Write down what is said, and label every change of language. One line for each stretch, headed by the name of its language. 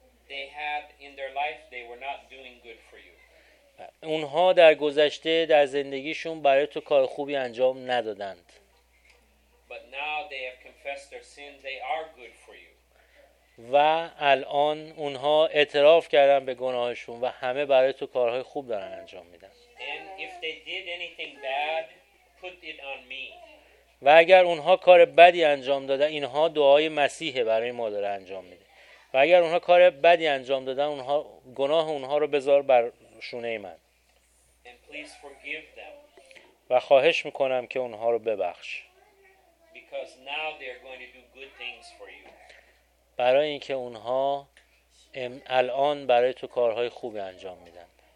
English: they had in their life they were not doing good for you.
Persian: اونها در گذشته در زندگیشون برای تو کار خوبی انجام ندادند.
English: But now they have confessed their sin, they are good for you.
Persian: و الان اونها اعتراف کردن به گناهشون و همه برای تو کارهای خوب دارن انجام میدن.
English: And if they did anything bad, put it on me.
Persian: و اگر اونها کار بدی انجام دادن، اینها دعای مسیح برای ما داره انجام میده. و اگر اونها کار بدی انجام دادن، اونها گناه اونها رو بذار بر شونه من.
English: And please forgive them.
Persian: و خواهش میکنم که اونها رو ببخش.
English: Because now they're going to do good things for you.
Persian: برای اینکه اونها الان برای تو کارهای خوبی انجام میدن.